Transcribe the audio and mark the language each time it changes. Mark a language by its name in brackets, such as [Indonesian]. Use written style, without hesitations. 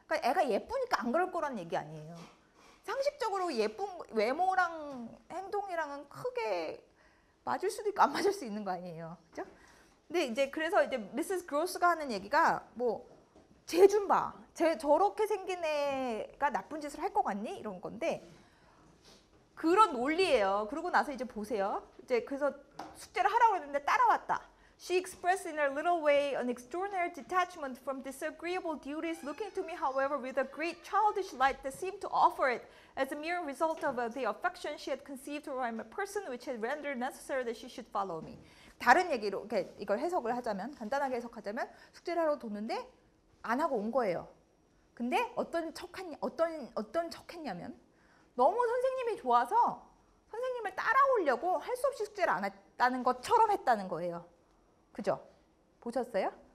[Korean] 그러니까 애가 예쁘니까 안 그럴 거라는 얘기 아니에요. 상식적으로 예쁜 외모랑 행동이랑은 크게 맞을 수도 있고 안 맞을 수 있는 거 아니에요. 그죠? 근데 이제 그래서 이제 미스스 그로스가 하는 얘기가 뭐 쟤 좀 봐. 쟤 저렇게 생긴 애가 나쁜 짓을 할 것 같니? 이런 건데 그런 논리예요. 그러고 나서 이제 보세요. 이제 그래서 숙제를 하라고 했는데 따라왔다. [English] She expressed in a little way an extraordinary detachment from disagreeable duties, looking to me, however, with a great childish light that seemed to offer it as a mere result of the affection she had conceived for my person, which had rendered necessary that she should follow me. [Korean] 다른 얘기로 이걸 해석을 하자면, 간단하게 해석하자면 숙제를 하러 도는데 안 하고 온 거예요. 근데 어떤 척했냐면 너무 선생님이 좋아서 선생님을 따라오려고 할 수 없이 숙제를 안 했다는 것처럼 했다는 거예요. 그죠? 보셨어요?